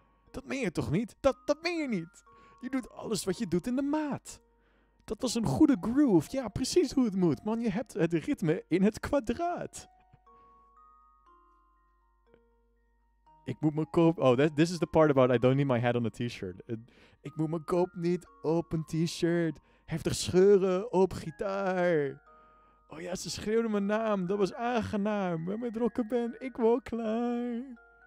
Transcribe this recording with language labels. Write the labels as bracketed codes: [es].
[nl] Dat meen je toch niet? Dat meen je niet. Je doet alles wat je doet in de maat. Dat was een goede groove. Ja, precies hoe het moet. Man, je hebt het ritme in het kwadraat. Ik moet mijn koop... [en] Oh, this is the part about I don't need my hat on a t-shirt. [nl] Ik moet mijn koop niet op een t-shirt. Heftig scheuren op gitaar. Oh ja, ze schreeuwde mijn naam. Dat was aangenaam. Met mijn rocken ben ik wel klaar.